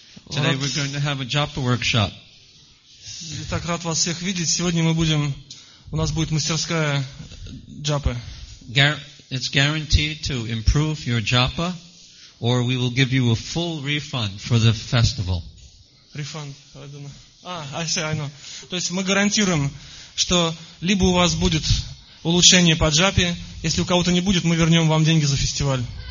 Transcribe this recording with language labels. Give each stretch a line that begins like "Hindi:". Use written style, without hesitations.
English: Today we're going to have a Japa workshop.
Russian: Так рад вас всех видеть. Сегодня мы будем, у нас будет мастерская Japa.
English: It's guaranteed to improve your Japa, or we will give you a full refund for the festival. Refund, I don't know. I know.
Russian: То есть мы гарантируем, что либо у вас будет улучшение по Japa, если у кого-то не будет, мы вернем вам деньги за фестиваль.